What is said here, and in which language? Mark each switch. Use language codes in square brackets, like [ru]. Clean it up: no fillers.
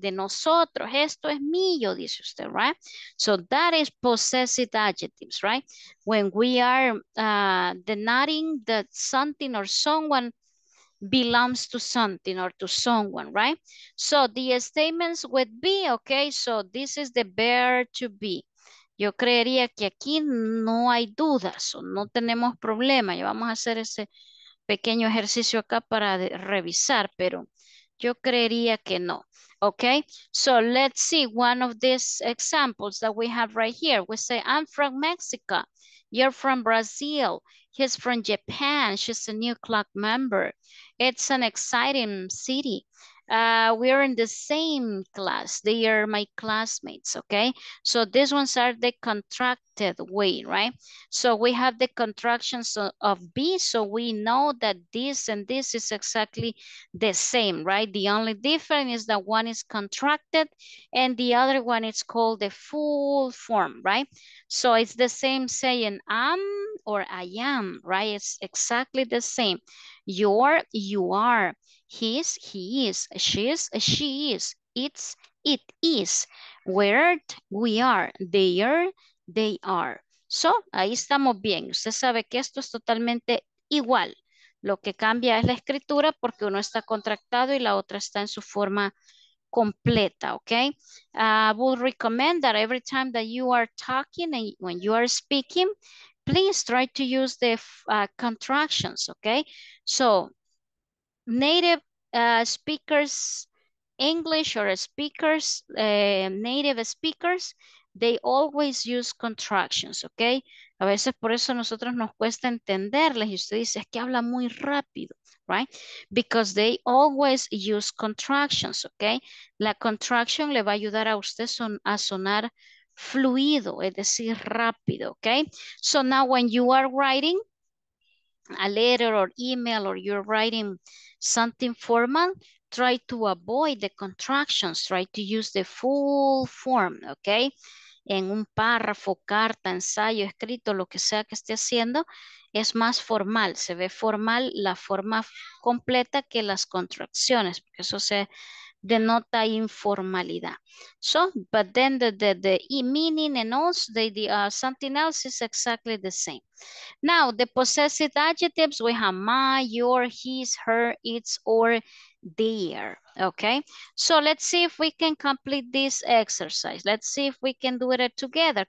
[es] De nosotros, esto es mío, dice usted, right? [en] So that is possessive adjectives, right? When we are denoting that something or someone belongs to something or to someone, right? So the statements would be, okay, so this is the verb to be. [es] Yo creería que aquí no hay dudas o no tenemos problema. Ya vamos a hacer ese pequeño ejercicio acá para revisar, pero yo creería que no. [en] Okay, so let's see one of these examples that we have right here. We say, I'm from Mexico. You're from Brazil. He's from Japan. She's a new club member. It's an exciting city. We're in the same class. They are my classmates, okay? So these ones are the contracted way, right? So we have the contractions of be, so we know that this and this is exactly the same, right? The only difference is that one is contracted and the other one is called the full form, right? So it's the same saying I'm or I am, right? It's exactly the same. You're, you are. He's, he is, she's, she is, it's, it is, where we are, they are. [es] So, ahí estamos bien. Usted sabe que esto es totalmente igual. Lo que cambia es la escritura porque uno está contractado y la otra está en su forma completa, okay? [en] I would recommend that every time that you are talking and when you are speaking, please try to use the contractions, okay? So native speakers, English or speakers, native speakers, they always use contractions, okay? [es] A veces por eso nosotros nos cuesta entenderles y usted dice, es que habla muy rápido, right? [en] Because they always use contractions, okay? [es] La contraction le va a ayudar a usted a sonar fluido, es decir, rápido, okay? [en] So now when you are writing a letter or email or you're writing something formal, try to avoid the contractions, try to use the full form, okay? [es] En un párrafo, carta, ensayo, escrito, lo que sea que esté haciendo, es más formal, se ve formal la forma completa que las contracciones, porque eso se denota informalidad. [en] So, but then the meaning and also something else is exactly the same. Now, the possessive adjectives, we have my, your, his, her, its, or their, okay? So let's see if we can complete this exercise. Let's see if we can do it together.